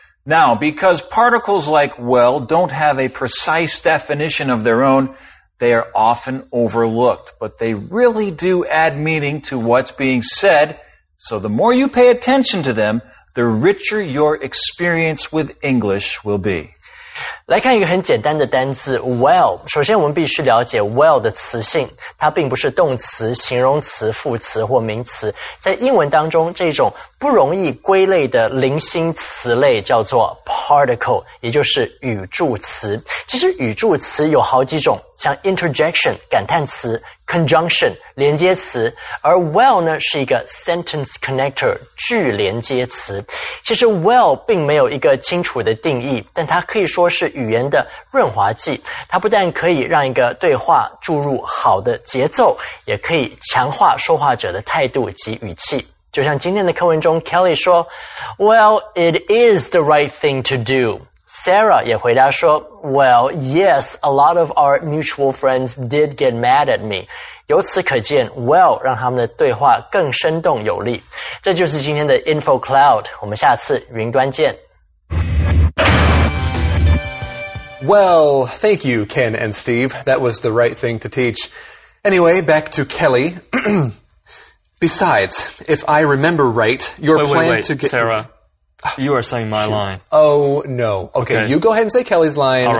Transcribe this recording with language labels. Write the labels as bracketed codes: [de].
[en] Now, because particles like well don't have a precise definition of their own, they are often overlooked, but they really do add meaning to what's being said. So the more you pay attention to them, the richer your experience with English will be. [zh] 来看一个很简单的单字 well。首先我们必须了解 well 的词性。它并不是动词、形容词、副词或名词。在英文当中这种不容易归类的零星词类叫做 particle, 也就是语助词。其实语助词有好几种，像 interjection, 感叹词， conjunction, 连接词。而 well 呢是一个 sentence connector, 句连接词。其实 well 并没有一个清楚的定义，但它可以说是语言的润滑剂，它不但可以让一个对话注入好的节奏，也可以强化说话者的态度及语气。就像今天的课文中 Kelly 说 [en] Well, it is the right thing to do. [zh] Sarah 也回答说 [en] Well, yes, a lot of our mutual friends did get mad at me. [zh] 由此可见 Well 让他们的对话更生动有力。这就是今天的 Info Cloud, 我们下次云端见。 [en] Well, thank you, Ken and Steve. That was the right thing to teach. Anyway, back to Kelly. Besides, if I remember right, your wait, plan wait, wait. to get... Sarah, you are saying my line. Oh, no. Okay, you go ahead and say Kelly's line.